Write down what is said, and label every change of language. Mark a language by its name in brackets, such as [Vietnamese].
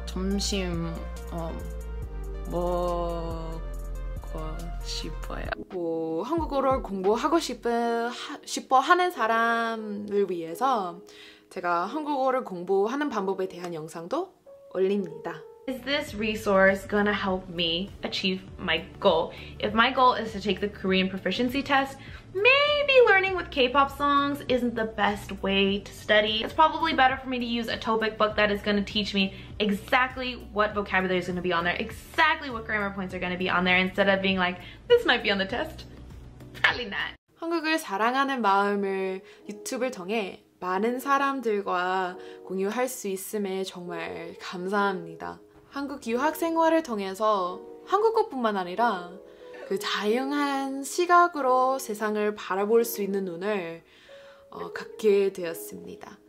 [Korean] 점심 먹고 싶어요. 뭐 한국어를 공부하고 싶어 하는 사람을 위해서 제가 한국어를 공부하는 방법에 대한 영상도 올립니다. [English] Is this resource gonna help me achieve my goal? If my goal is to take the Korean proficiency test, maybe learning with K-pop songs isn't the best way to study. It's probably better for me to use a Topic book that is gonna teach me exactly what vocabulary is gonna be on there, exactly what grammar points are gonna be on there, instead of being like, this might be on the test. Probably not. [Korean] 한국을 사랑하는 마음을 유튜브를 통해 많은 사람들과 공유할 수 있음에 정말 감사합니다. 한국 유학 생활을 통해서 한국어뿐만 아니라 그 다양한 시각으로 세상을 바라볼 수 있는 눈을 갖게 되었습니다.